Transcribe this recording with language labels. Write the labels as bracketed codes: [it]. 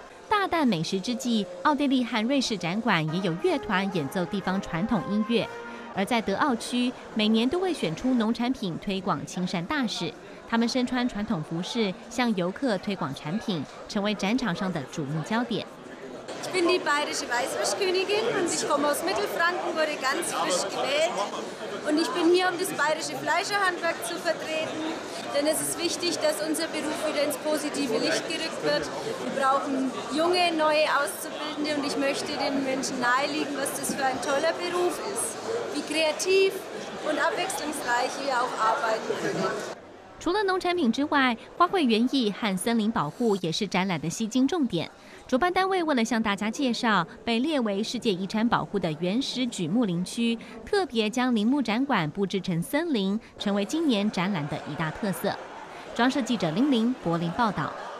[zh] 大啖美食之际，奥地利和瑞士展馆也有乐团演奏地方传统音乐。而在德奥区，每年都会选出农产品推广亲善大使，他们身穿传统服饰向游客推广产品，成为展场上的瞩目焦点。 [de] Ich bin die bayerische Weißwurstkönigin und ich komme aus Mittelfranken, wurde ganz frisch gewählt. Und ich bin hier, um das bayerische Fleischerhandwerk zu vertreten, denn es ist wichtig, dass unser Beruf wieder ins positive Licht gerückt wird. Wir brauchen junge, neue Auszubildende und ich möchte den Menschen nahelegen, was das für ein toller Beruf ist, wie kreativ und abwechslungsreich wir auch arbeiten können. [zh] 除了农产品之外，花卉园艺和森林保护也是展览的吸睛重点。主办单位为了向大家介绍被列为世界遗产保护的原始榉木林区，特别将林木展馆布置成森林，成为今年展览的一大特色。装设记者林玲柏林报道。